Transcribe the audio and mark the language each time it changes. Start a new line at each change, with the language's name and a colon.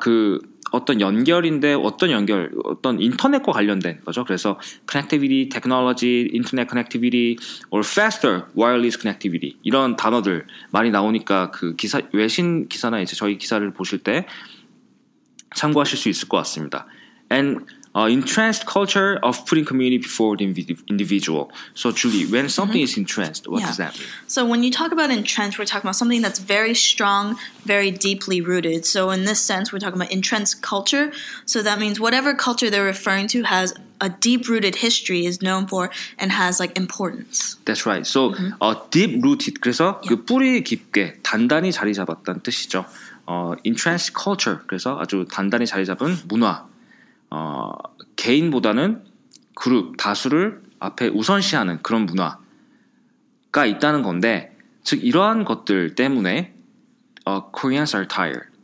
Korean: 그 어떤 연결인데, 어떤 연결, 어떤 인터넷과 관련된 거죠.
English: 그래서 connectivity, technology, internet connectivity, or faster wireless connectivity.
Korean: 이런 단어들 많이 나오니까 그 기사, 외신 기사나 이제 저희 기사를 보실 때 참고하실 수 있을 것 같습니다.
English: And entrenched culture of putting community before the individual. So Julie, when something mm-hmm. is entrenched, what does that mean? So when you talk about entrenched, we're talking about something that's very strong, very deeply rooted. So in this sense, we're talking about entrenched culture. So that means whatever culture they're referring to has a deep-rooted history, is known for, and has like importance. That's right. So mm-hmm. Deep-rooted, 그래서 yeah.
Korean: 그 뿌리 깊게, 단단히 자리 잡았다는 뜻이죠. Entrenched culture, 그래서 아주 단단히 자리 잡은 문화. 개인보다는 그룹, 다수를 앞에 우선시하는 그런 문화가 있다는 건데, 즉 이러한 것들 때문에
English: Koreans are tired.